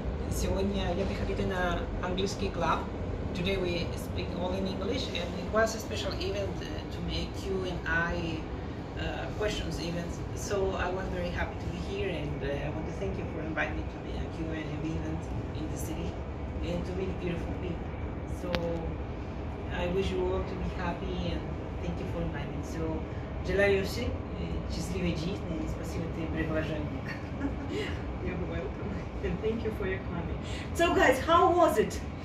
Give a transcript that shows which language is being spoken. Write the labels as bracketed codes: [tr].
[ru] Сегодня я приходила на английский клуб. [en] Today we speak all in English, and it was a special event to make you and I questions event. So I was very happy to be here, and I want to thank you for inviting me to be a Q&A event in the city and to meet beautiful people. So I wish you all to be happy, and thank you for inviting. [ru] So, желаю все счастливой жизни и спасибо за приглашение. [en] You're welcome, and thank you for your comment. So guys, how was it?